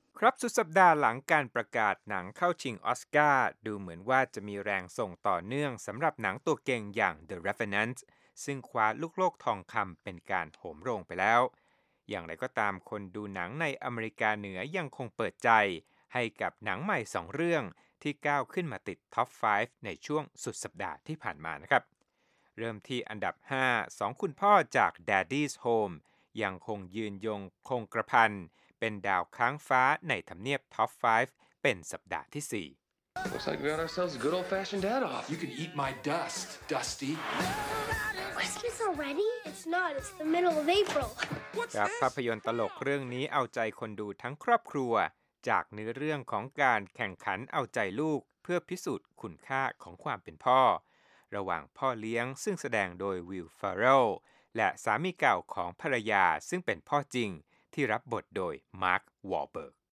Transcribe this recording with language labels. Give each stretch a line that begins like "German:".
Thai: ครับสุดสัปดาห์หลังการประกาศหนังเข้าชิงออสการ์ดูเหมือนว่าจะมีแรงส่งต่อเนื่องสำหรับหนังตัวเก่งอย่าง The Revenant ซึ่งคว้าลูกโลกทองคำเป็นการโหมโรงไปแล้วอย่างไรก็ตามคนดูหนังในอเมริกาเหนือยังคงเปิดใจให้กับหนังใหม่2เรื่องที่ก้าวขึ้นมาติดท็อป5ในช่วงสุดสัปดาห์ที่ผ่านมานะครับ เริ่มที่อันดับ5 2คุณพ่อจาก Daddy's Home ยังคงยืนยงคงกระพันเป็นดาวค้างฟ้าในทำเนียบท็อป5เป็นสัปดาห์ที่4
English: Looks like we got ourselves a good old fashioned dad off. You can eat my dust, Dusty. Is this already? It's not. It's the middle of April.
Thai: ครับภาพยนตร์ตลกเรื่องนี้เอาใจคนดูทั้งครอบครัวจากเนื้อเรื่องของการแข่งขันเอาใจลูกเพื่อพิสูจน์คุณค่าของความเป็นพ่อระหว่างพ่อเลี้ยงซึ่งแสดงโดยวิลฟาร์เรลและสามีเก่าของภรรยาซึ่งเป็นพ่อจริงที่รับบทโดยมาร์ควอลเบิร์ก